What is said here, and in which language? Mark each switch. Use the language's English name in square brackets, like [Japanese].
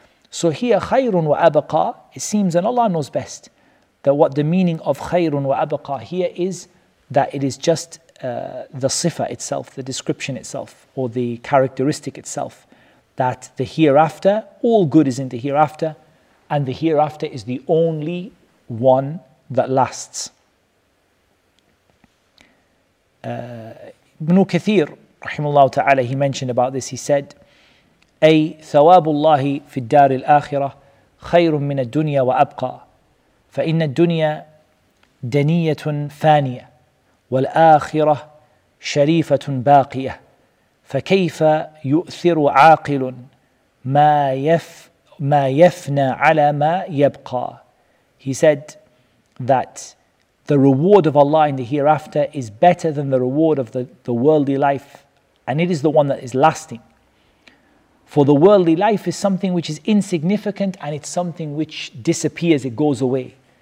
[English] So here, [Arabic] khayrun wa abqa, [English] it seems, and Allah knows best, that what the meaning of khayrun wa abqa here is, that it is just the sifa itself, the description itself, or the characteristic itself, that the hereafter, all good is in the hereafter, and the hereafter is the only one that lasts. Ibn Kathir, rahimahullah ta'ala, he mentioned about this. [Arabic] He said, أي ثواب الله في الدار الآخرة خير من الدنيا وأبقى فإن الدنيا دنية فانية والآخرة شريفة باقية فكيف يؤثر عاقل ما يفنى على ما يبقى. [English] He said that the reward of Allah in the hereafter is better than the reward of the worldly life. And it is the one that is lasting. For the worldly life is something which is insignificant and it's something which disappears, it goes away.